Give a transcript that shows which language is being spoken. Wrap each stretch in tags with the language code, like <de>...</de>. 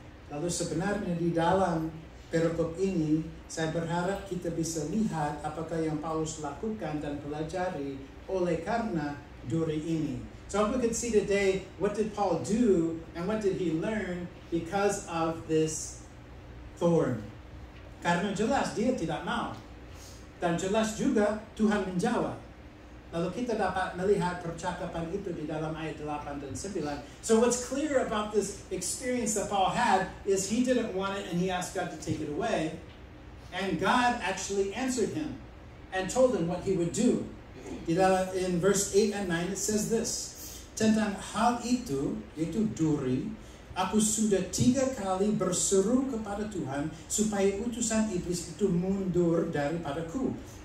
<id>Lalu sebenarnya di dalam perikop ini, saya berharap kita bisa lihat apakah yang Paulus lakukan dan pelajari oleh karena duri ini.</id> <en>So if we could see today, what did Paul do and what did he learn because of this thorn?</en> <id>Karena jelas dia tidak mau. Dan jelas juga Tuhan menjawab. Lalu kita dapat melihat percakapan itu di dalam ayat 8 dan 9.</id> <en>So what's clear about this experience that Paul had is he didn't want it and he asked God to take it away. And God actually answered him and told him what he would do. In verse 8 and 9 it says this.</en> <id>Tentang hal itu, yaitu duri, aku sudah 3 kali berseru kepada Tuhan supaya utusan iblis itu mundur daripadaku.</id>